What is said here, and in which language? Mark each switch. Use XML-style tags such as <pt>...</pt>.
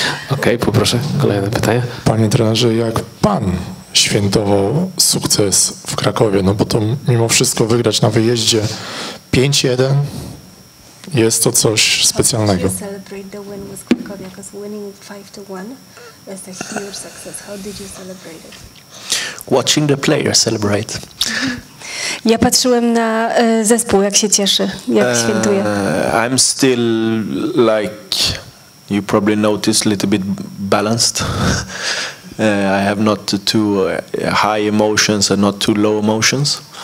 <pl>Okej, poproszę, kolejne pytanie. Panie trenerze, jak pan świętował sukces w Krakowie? No bo to mimo wszystko wygrać na wyjeździe 5-1 jest to coś specjalnego.</pl> <en>How did you celebrate the win with Krakowie? Because winning 5-1 is a huge success. How did you celebrate it? Watching the players celebrate.</en> <pl>Ja patrzyłem na zespół, jak się cieszy, jak świętuje.</pl> <en>I'm still like, you probably noticed, a little bit balanced. I have not too high emotions and not too low emotions.</en>